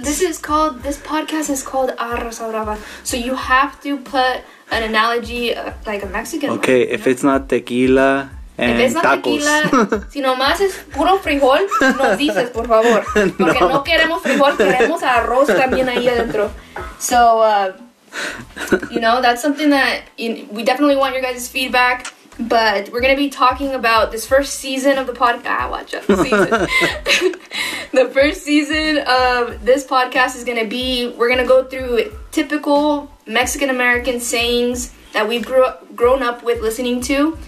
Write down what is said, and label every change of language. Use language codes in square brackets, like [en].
[en] This podcast is called Arroz Brava, so you have to put an analogy like a Mexican. Okay, one, if it's not tequila and tacos. If it's not tacos. Tequila, [es] si nomás es puro frijol, nos dices, por favor. Porque no queremos frijol, queremos arroz también ahí adentro. [en] So, you know, that's something that we definitely want your guys' feedback. But we're going to be talking about this first season of the podcast. The first season of this podcast is going to be, we're going to go through typical Mexican-American sayings that we've grown up with listening to.